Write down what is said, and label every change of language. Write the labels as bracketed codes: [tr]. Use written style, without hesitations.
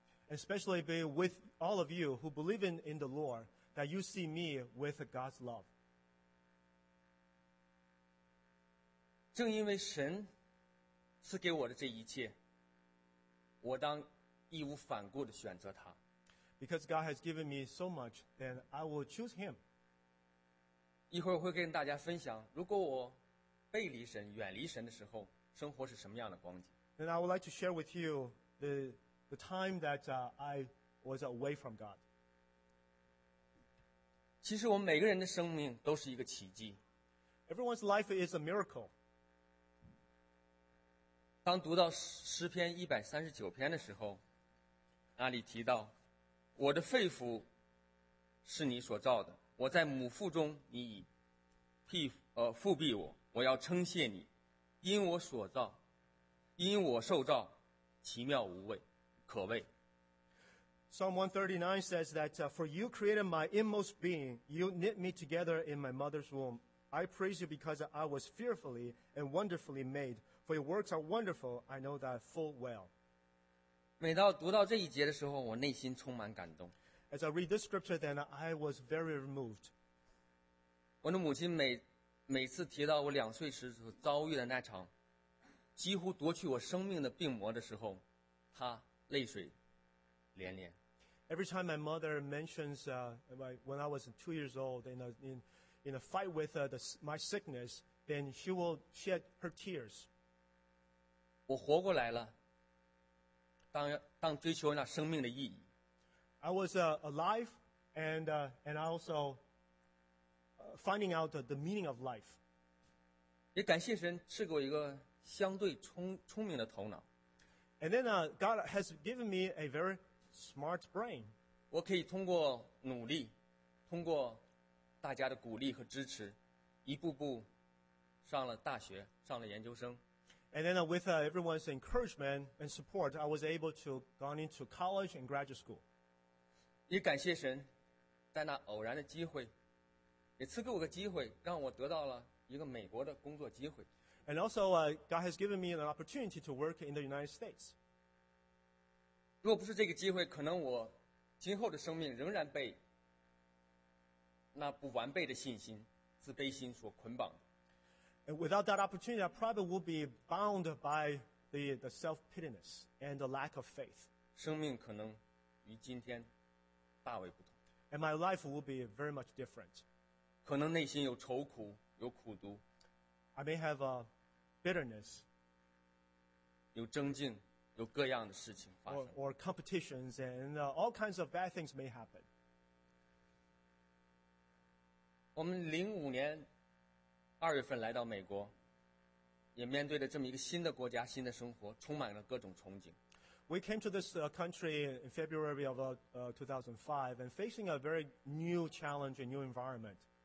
[en] Especially be with all of you who believe in the Lord, that you see me with God's love. [zh] 正因为神赐给我的这一切，我当义无反顾地选择他。 [en] Because God has given me so much, then I will choose Him. [zh] 一会儿我会跟大家分享，如果我背离神、远离神的时候，生活是什么样的光景。 [en] Then I would like to share with you the time that I was away from God. [zh] 其实我们每个人的生命都是一个奇迹。 [en] Everyone's life is a miracle. [zh] 当读到诗篇一百三十九篇的时候，那里提到。我的肺腑是你所造的，我在母腹中你已覆庇我，我要称谢你，因我所造，因我受造，奇妙无畏可畏。 [en] Psalm 139 says that, For you created my inmost being. You knit me together in my mother's womb. I praise you because I was fearfully and wonderfully made. For your works are wonderful. I know that full well. [zh] 每到读到这一节的时候，我内心充满感动。 [en] As I read this scripture, then I was very moved. [zh] 我的母亲每次提到我两岁时所遭遇的那场几乎夺取我生命的病魔的时候，她泪水连连。 [en] Every time my mother mentions when I was 2 years old in a fight with my sickness, then she will shed her tears. [zh] 我活过来了，当追求那生命的意义。 [en] I was alive, and I also finding out the meaning of life. [zh] 也感谢神赐给我一个相对聪明的头脑。 [en] And then God has given me a very smart brain. [zh] 我可以通过努力，通过大家的鼓励和支持，一步步上了大学，上了研究生。 [en] And then with everyone's encouragement and support, I was able to go into college and graduate school. [zh] 也感谢神，在那偶然的机会，也赐给我个机会，让我得到了一个美国的工作机会。 [en] And also, God has given me an opportunity to work in the United States. [zh] 若不是这个机会，可能我今后的生命仍然被那不完备的信心、自卑心所捆绑。 [en] And without that opportunity, I probably would be bound by the self-pityness and the lack of faith. [zh] 生命可能与今天大为不同。 [en] And my life would be very much different. [zh] 可能内心有愁苦、有苦毒。 [en] I may have a bitterness. [zh] 有争竞，有各样的事情发生。 [en] Or competitions and all kinds of bad things may happen. [zh] 我们2005年二月份来到美国，也面对着这么一个新的国家、新的生活，充满了各种憧憬。 [en] We came to this country in February of 2005 and facing a very new challenge, a new environment.